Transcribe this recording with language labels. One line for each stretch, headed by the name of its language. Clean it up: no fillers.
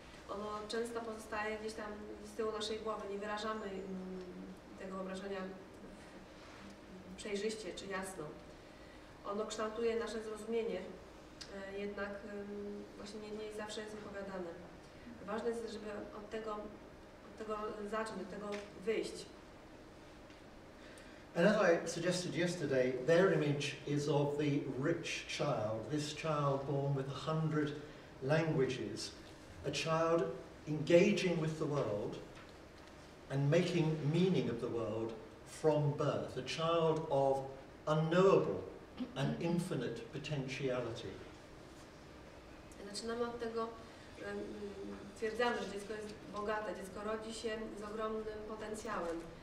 Polish: Ono często pozostaje gdzieś tam z tyłu naszej głowy. Nie wyrażamy tego wyobrażenia przejrzyście czy jasno. Ono kształtuje nasze zrozumienie, jednak właśnie nie zawsze jest opowiadane. Ważne jest, żeby od tego zacząć, od tego wyjść.
English: And as I suggested yesterday, their image is of the rich child, this child born with 100 languages, a child engaging with the world and making meaning of the world from birth, a child of unknowable and infinite potentiality.
Polish: Zaczynamy od tego, twierdzamy, że dziecko jest bogate, dziecko rodzi się z ogromnym potencjałem.